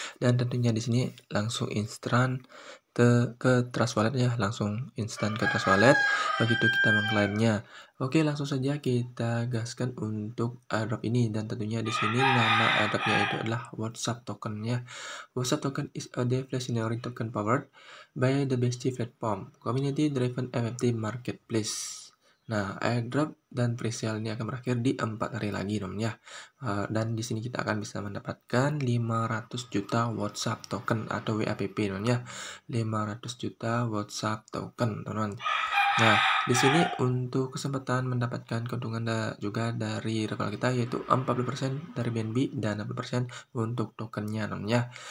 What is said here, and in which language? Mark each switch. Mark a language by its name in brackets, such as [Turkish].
[Indonesian] Dan tentunya di sini langsung instan ke trust wallet ya, langsung instan ke trust wallet begitu kita mengklaimnya. Oke, langsung saja kita gaskan untuk airdrop ini, dan tentunya di sini nama airdropnya itu adalah WhatsApp token ya. [English] WhatsApp token is a deflationary token powered by the BSC platform, community driven NFT marketplace. [Indonesian] Nah, airdrop dan presale ini akan berakhir di 4 hari lagi, teman-teman ya. Dan di sini kita akan bisa mendapatkan 500 juta WhatsApp token atau WAPP, teman-teman ya. 500 juta WhatsApp token, teman-teman. Nah, di sini untuk kesempatan mendapatkan keuntungan juga dari referral kita yaitu 40% dari BNB dan 60% untuk tokennya, teman-teman ya.